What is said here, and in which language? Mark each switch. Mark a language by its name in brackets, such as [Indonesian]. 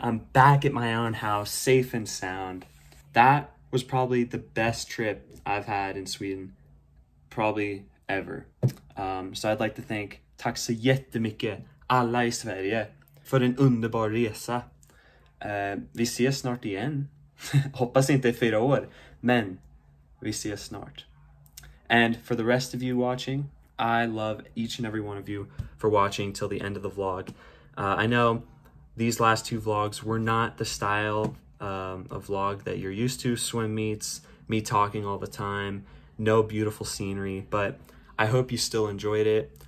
[English] I'm back at my own house, safe and sound. That was probably the best trip I've had in Sweden, probably ever. So I'd like to thank [Swedish] tack så jättemycket alla I Sverige för en underbar resa. Vi ses snart igen. Hoppas inte I 4 år, men vi ses snart. [English] And for the rest of you watching, I love each and every one of you for watching till the end of the vlog. I know these last two vlogs were not the style of vlog that you're used to. Swim meets, me talking all the time, no beautiful scenery, but I hope you still enjoyed it.